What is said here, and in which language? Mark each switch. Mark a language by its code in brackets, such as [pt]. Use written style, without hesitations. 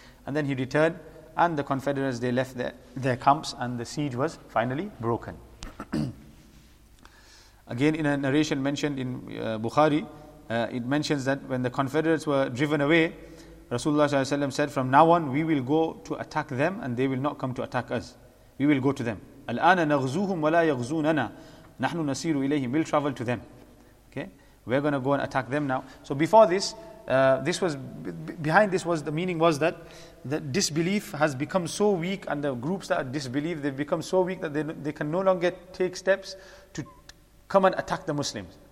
[en] And then he returned, and the Confederates, they left their camps, and the siege was finally broken. Again, in a narration mentioned in Bukhari, it mentions that when the Confederates were driven away, Rasulullah said, from now on, we will go to attack them, and they will not come to attack us. We will go to them. [ar] الآن نغزوهم ولا يغزوننا نحن نسير إليهم. [en] We'll travel to them. Okay, we're going to go and attack them now. So before this, this was behind this was the meaning was that the disbelief has become so weak, and the groups that disbelieve, they've become so weak that they can no longer take steps to come and attack the Muslims.